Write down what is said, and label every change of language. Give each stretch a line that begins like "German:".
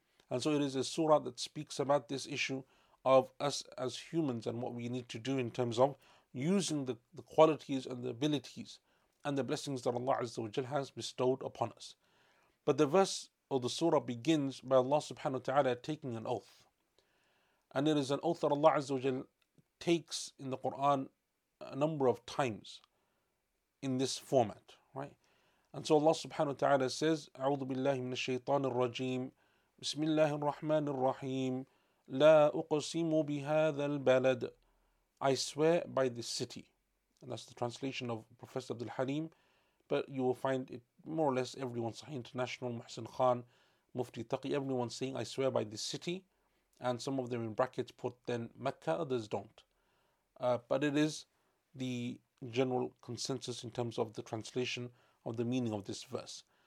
English: And so it is a surah that speaks about this issue of us as humans and what we need to do in terms of using the qualities and the abilities and the blessings that Allah Azza wa Jalla has bestowed upon us. But the verse or the surah begins by Allah subhanahu wa ta'ala taking an oath. And it is an oath that Allah azza wa jal takes in the Quran a number of times in this format, right? And so Allah subhanahu wa ta'ala says,
Arabic: أعوذ بالله من الشيطان الرجيم بسم الله الرحمن الرحيم لا أقسم بهذا البلد,
English: I swear by this city. And that's the translation of Professor Abdul Halim, but you will find it more or less everyone, Sahih International, Muhsin Khan, Mufti Taqi, everyone saying, I swear by this city. And some of them in brackets put then Mecca, others don't. But it is the general consensus in terms of the translation of the meaning of this verse.